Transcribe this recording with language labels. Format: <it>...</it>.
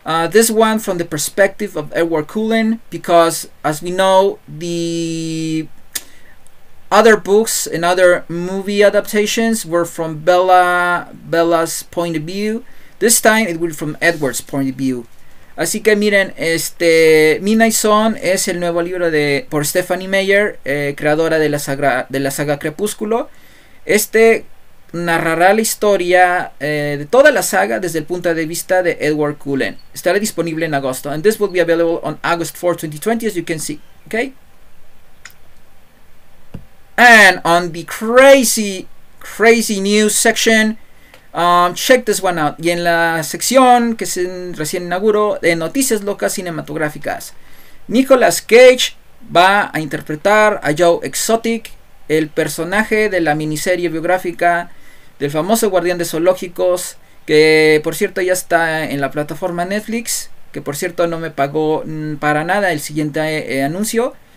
<en>This one from the perspective of Edward Cullen, because as we know, the other books and other movie adaptations were from Bella's point of view. This time it will be from Edward's point of view.</en> <es>Así que miren, este Midnight Sun es el nuevo libro de por Stephanie Meyer, creadora de la saga Crepúsculo. Este narrará la historia de toda la saga desde el punto de vista de Edward Cullen. Estará disponible en agosto.</es> <en>And this will be available on August 4, 2020, as you can see. Okay? And on the crazy news section, check this one out.</en> <es>Y en la sección que se recién inauguró de Noticias Locas Cinematográficas, Nicolas Cage va a interpretar a Joe Exotic, el personaje de la miniserie biográfica del famoso guardián de zoológicos, que por cierto ya está en la plataforma Netflix, que por cierto no me pagó para nada el siguiente anuncio.</es>